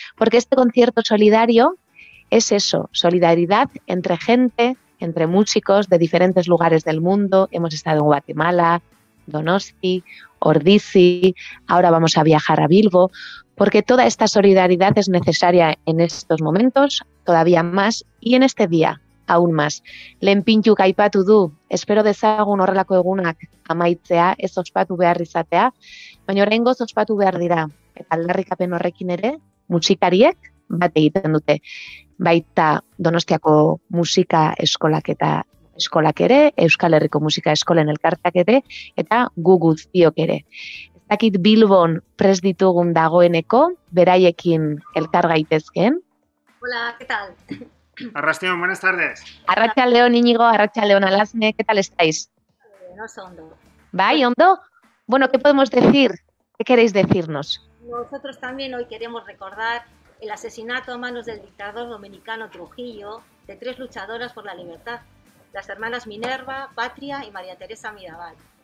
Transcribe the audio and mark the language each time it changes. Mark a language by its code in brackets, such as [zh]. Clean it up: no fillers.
[es] Porque este concierto solidario es eso, solidaridad entre gente, entre músicos de diferentes lugares del mundo. Hemos estado en Guatemala, Donosti, Ordizi, ahora vamos a viajar a Bilbo, porque toda esta solidaridad es necesaria en estos momentos, todavía más, y en este día, aún más. [eu] Lehen pintxuk aipatu du, espero dezagun horrelako egunak amaitzea, ez ospatu behar izatea, baina oraingoz ospatu behar dira, eta aldarrikapen horrekin ere, musikariek bat egiten dute. Baita Donostiako musika eskolak eta eskolak ere, Euskal Herriko musika eskolen elkartak ere, eta gu guztiok ere. Ez dakit Bilbon prest ditugun dagoeneko, beraiekin elkar gaitezken. [es] Hola, ¿qué tal? Arrastión, buenas tardes. [eu] Arratsaldeon [es] Íñigo, [eu] arratsaldeon [es] Alazne, ¿qué tal estáis? No sé, [eu] ¿ondo? ¿Bai, ondo? [es] Bueno, ¿qué podemos decir? ¿Qué queréis decirnos? Nosotros también hoy queremos recordar el asesinato a manos del dictador dominicano Trujillo de tres luchadoras por la libertad, las hermanas Minerva, Patria y María Teresa Mirabal.